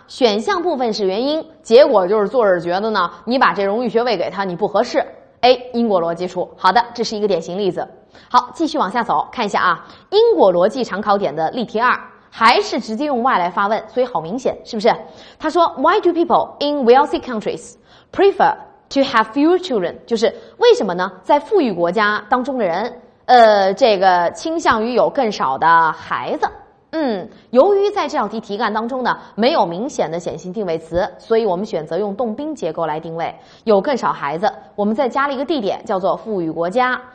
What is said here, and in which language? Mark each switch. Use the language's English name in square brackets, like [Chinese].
[Chinese] 选项部分是原因，结果就是作者觉得呢你把这荣誉学位给他你不合适，因果逻辑出。好的，这是一个典型例子。好，继续往下走，看一下啊，因果逻辑常考点的例题二，还是直接用 why 来发问，所以好明显，是不是？他说 [English] ，Why do people in wealthy countries prefer to have fewer children？ [Chinese] 就是为什么呢？在富裕国家当中的人，这个倾向于有更少的孩子。由于在这道题题干当中呢，没有明显的显性定位词，所以我们选择用动宾结构来定位，有更少孩子，我们再加了一个地点，叫做富裕国家。